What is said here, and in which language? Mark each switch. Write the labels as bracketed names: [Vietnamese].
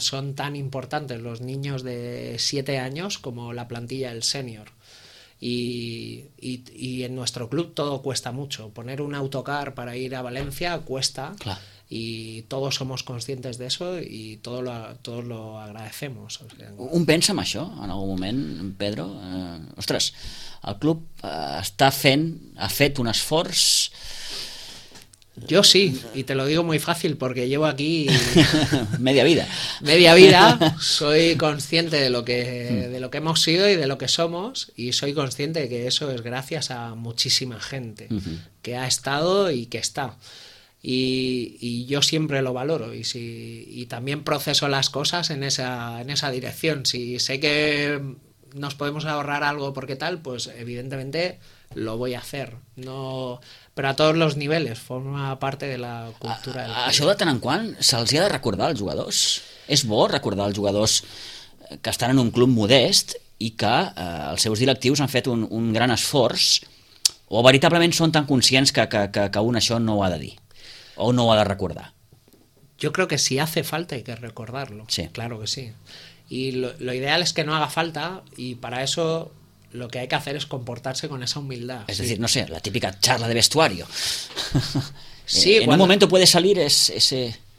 [Spanish] Son tan importantes los niños de 7 años como la plantilla del senior. Y en nuestro club todo cuesta mucho. Poner un autocar para ir a Valencia cuesta. Claro. Y todos somos conscientes de eso y todos lo agradecemos. O sea, no. [Catalan] Un pensa en això en algun moment, Pedro? Ostres, el club ha fet un esforç. [Spanish] Yo sí, y te lo digo muy fácil porque llevo aquí media vida. Media vida, soy consciente de lo que hemos sido y de lo que somos, y soy consciente de que eso es gracias a muchísima gente que ha estado y que está. Y yo siempre lo valoro y también proceso las cosas en esa dirección. Si sé que nos podemos ahorrar algo porque tal, pues evidentemente lo voy a hacer. No, pero a todos los niveles, forma parte de la cultura. [Catalan] Això de tant en quant se'ls ha de recordar als jugadors. És bo recordar als jugadors que estan en un club modest i que els seus directius han fet un gran esforç, o veritablement són tan conscients que un això no ho ha de dir o no ho ha de recordar. [Spanish] Yo creo que si hace falta hay que recordarlo. Sí. Claro que sí. Y lo ideal es que no haga falta, y para eso lo que hay que hacer es comportarse con esa humildad. Es decir, no sé, la típica charla de vestuario. Sí, en un momento puede salir ese...